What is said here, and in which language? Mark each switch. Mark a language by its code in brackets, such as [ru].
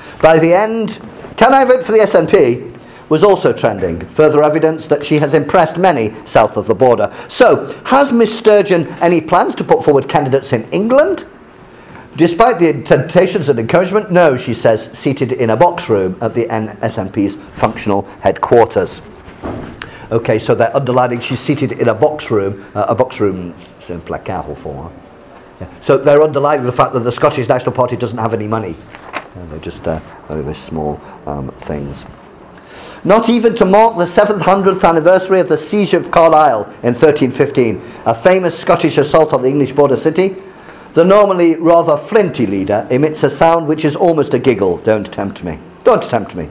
[en] By the end, "Can I vote for the SNP?" was also trending, further evidence that she has impressed many south of the border. So, has Miss Sturgeon any plans to put forward candidates in England? Despite the temptations and encouragement, no, she says, seated in a box room at the SNP's functional headquarters. Okay, so they're underlining she's seated in a box room. [fr] A box room, c'est un placard au fond. [en] Yeah. So they're underlining the fact that the Scottish National Party doesn't have any money. Yeah, they're just very, very small things. Not even to mark the 700th anniversary of the Siege of Carlisle in 1315, a famous Scottish assault on the English border city, the normally rather flinty leader emits a sound which is almost a giggle. Don't tempt me. Don't tempt me.